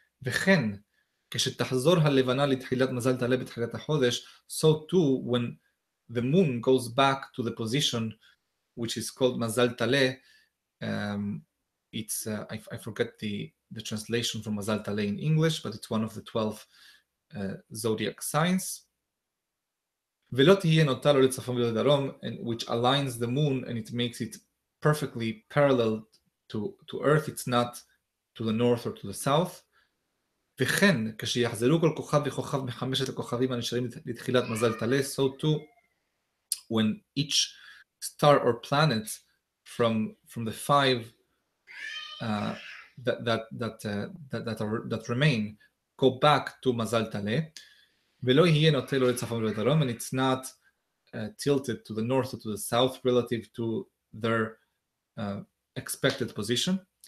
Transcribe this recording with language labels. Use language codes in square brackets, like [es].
[he] וכן, כשתחזור הלבנה לתחילת מזל תעלה בתחילת החודש, [en] so too, when the moon goes back to the position, which is called מזל תעלה, it's I forget the translation from Mazal Tale in English, but it's one of the 12 zodiac signs. [he] ולא תהיה נוטה לו לצפון ולא לדרום, [en] which aligns the moon and it makes it perfectly parallel to Earth. It's not to the north or to the south. [he] וכן, כשיחזרו כל כוכב וכוכב מחמשת הכוכבים הנשארים לתחילת מזל תלה, [en] so too, when each star or planet from the five that remain go back to Mazal Tale, [he] ולא יהיה נוטה לו לצפון ולדרום, [en] and it's not tilted to the north or to the south relative to their expected position.